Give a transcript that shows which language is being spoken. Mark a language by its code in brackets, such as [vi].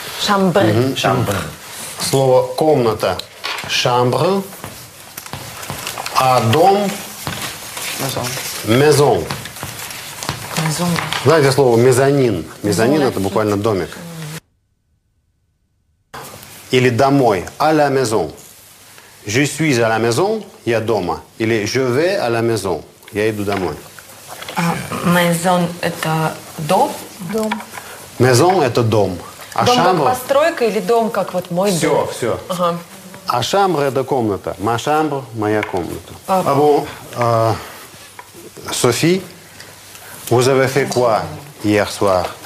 [fr] Chambre. Chambre. [ru] Слово «комната» – chambre. А дом – [fr] Maison. [ru] Знаете слово «мезонин»? Мезонин – это буквально домик. Или «домой» [fr] – «à la maison». Je suis à la maison, [ru] я дома. Или [fr] je vais à la maison, [ru] я иду домой. Maison – это дом? Дом. Maison – это дом. А дом chambre... как постройка или дом как вот мой все, дом? Все, все. Ага. А chambre – это комната. [fr] Ma chambre [ru] – моя комната. А вот, [fr] Софи, vous avez fait quoi hier soir?